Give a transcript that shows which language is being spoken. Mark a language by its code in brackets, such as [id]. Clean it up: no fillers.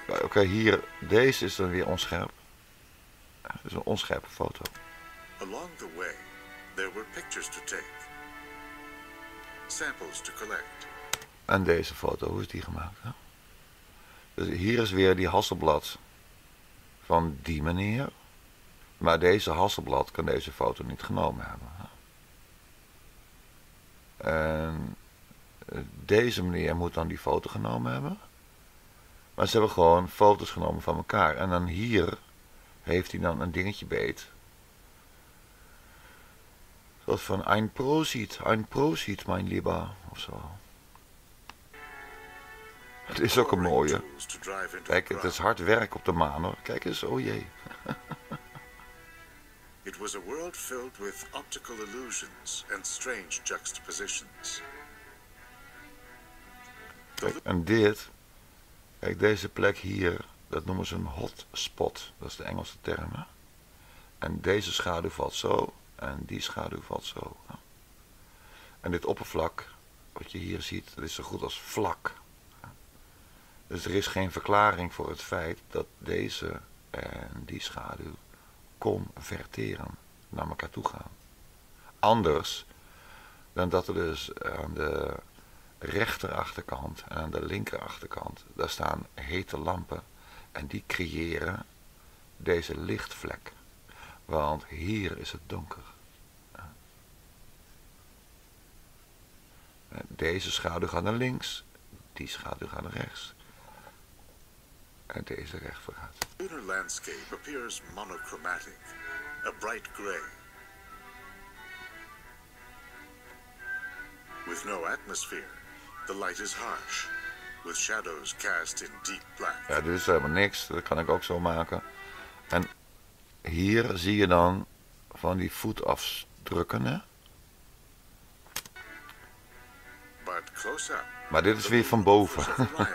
[nl] Oké, hier, deze is dan weer onscherp. Dit is een onscherpe foto. [en] Along the way, there were pictures to take. Samples to collect. [nl] En deze foto, hoe is die gemaakt? Hè? Dus hier is weer die Hasselblad van die meneer. Maar deze Hasselblad kan deze foto niet genomen hebben. En deze meneer moet dan die foto genomen hebben. Maar ze hebben gewoon foto's genomen van elkaar. En dan hier heeft hij dan een dingetje beet. Zoals van [de] ein Prosit, mein Lieber, [nl] of zo. Het is ook een mooie. Kijk, het is hard werk op de maan, hoor. Kijk eens, oh jee. [en] It was a world filled with optical illusions and strange juxtapositions. [nl] Kijk, en dit, kijk deze plek hier, dat noemen ze een hotspot, dat is de Engelse term. Hè? En deze schaduw valt zo, en die schaduw valt zo. Hè? En dit oppervlak, wat je hier ziet, dat is zo goed als vlak. Hè? Dus er is geen verklaring voor het feit dat deze en die schaduw converteren, naar elkaar toe gaan. Anders dan dat er dus aan de rechterachterkant en aan de linkerachterkant, daar staan hete lampen en die creëren deze lichtvlek. Want hier is het donker. Deze schaduw gaat naar links, die schaduw gaat naar rechts. En deze recht vergaat. [en] The lunar landscape appears monochromatic, a bright gray. With no atmosphere, the light is harsh, with shadows cast in deep black. [nl] Ja, dit is helemaal niks, dat kan ik ook zo maken. En hier zie je dan van die voetaf, drukken, hè? [en] But close up, [nl] maar dit is weer van boven.